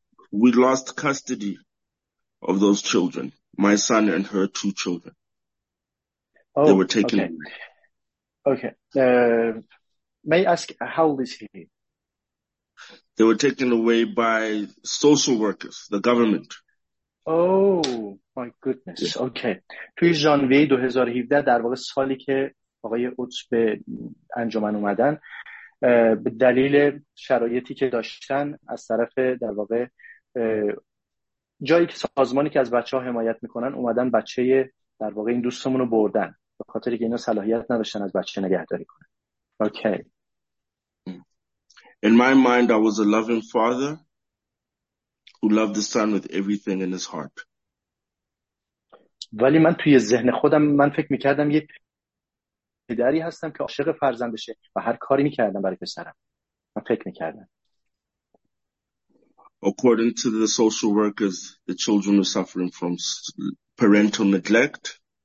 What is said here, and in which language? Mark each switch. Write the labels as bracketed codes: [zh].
[en] We lost custody of those children, my son and her two children. Oh, they were taken. Okay. May I ask, how old is he? They were taken away by social workers, the government. Oh, my goodness. Yeah. Okay. [fa] توی ژانویه 2017 در واقع سالی که آقای اوتس به انجمن اومدن به دلیل شرایطی که داشتن از طرف در واقع جایی که سازمانی که از بچه ها حمایت میکنن اومدن بچه در واقع این دوستمون رو بردن به خاطر که اینا صلاحیت نداشتن از بچه نگهداری کنن. [en] Okay. In my mind, I was a loving father who loved the son with everything in his heart. [fa] ولی من توی ذهن خودم من فکر میکردم یه پدری هستم که عاشق فرزندشه و هر کاری میکردم برای پسرم. من فکر میکردم. [en] According to the social workers, the children were suffering from parental neglect.